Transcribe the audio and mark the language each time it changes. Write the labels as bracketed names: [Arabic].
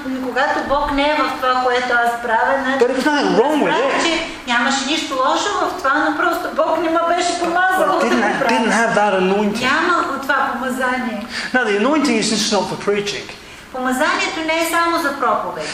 [English] But it was nothing wrong with it. [Bulgarian] Нямаше нищо лошо в това, но просто Бог не ме беше помазал. [English] Didn't have that anointing. [Bulgarian] Няма от това помазание. [English] Now the anointing is just not for preaching. [Bulgarian] Помазанието не е само за проповед.